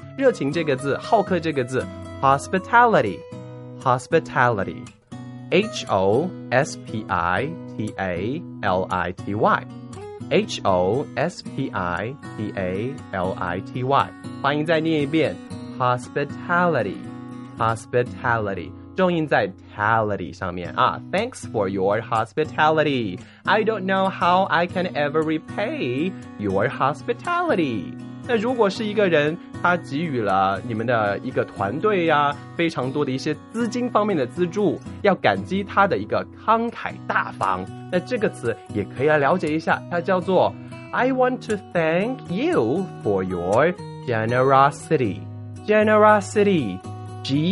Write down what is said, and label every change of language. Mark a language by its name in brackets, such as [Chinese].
[Chinese] 热情这个字，好客这个字， hospitality， hospitality， H-O-S-P-I-T-A-L-I-T-Y， H-O-S-P-I-T-A-L-I-T-Y， 欢迎再念一遍 hospitality， hospitality，重音在 tality 上面啊。 [English] Thanks for your hospitality. I don't know how I can ever repay your hospitality. [Chinese] 那如果是一个人，他给予了你们的一个团队呀，非常多的一些资金方面的资助，要感激他的一个慷慨大方。那这个词也可以来了解一下，它叫做 [English] I want to thank you for your generosity. Generosity. G